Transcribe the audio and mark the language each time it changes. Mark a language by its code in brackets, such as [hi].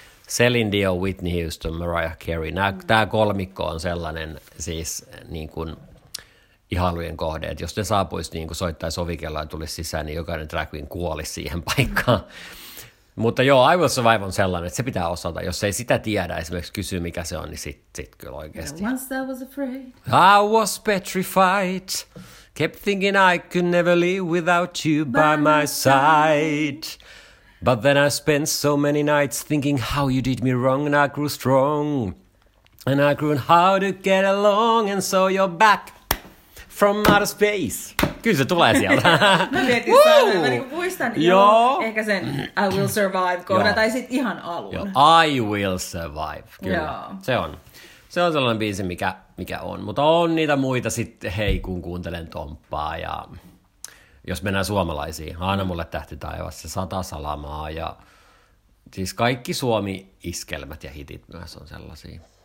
[fi] Celine Dion, Whitney Houston, Mariah Carey. Tämä kolmikko on sellainen siis niin kuin ihailujen kohde, että jos ne saapuisi niin kuin soittaisi ovikelloa ja tulisi sisään, niin jokainen drag queen kuoli siihen paikkaan. Mutta joo, I Will Survive on sellainen, että se pitää osata. Jos ei sitä tiedä, esimerkiksi kysyy, mikä se on, niin sit kyllä oikeasti. [en] Once I was afraid. I was petrified. Kept thinking I could never live without you by my side. But then I spent so many nights thinking how you did me wrong and I grew strong. And I grew how to get along and saw your back from outer space. [fi] Kyllä se tulee sieltä. Mä mietin sanoa, mä niinku muistan joo. Ehkä sen I Will Survive kohdan tai sit ihan alun. Joo. I Will Survive, kyllä. Joo. Se on. Se on sellainen biisi, mikä on. Mutta on niitä muita sitten, hei, kun kuuntelen Tomppaa ja jos mennään suomalaisiin, Anna mulle tähti taivassa, Sata salamaa ja siis kaikki Suomi-iskelmät ja hitit myös on sellaisia.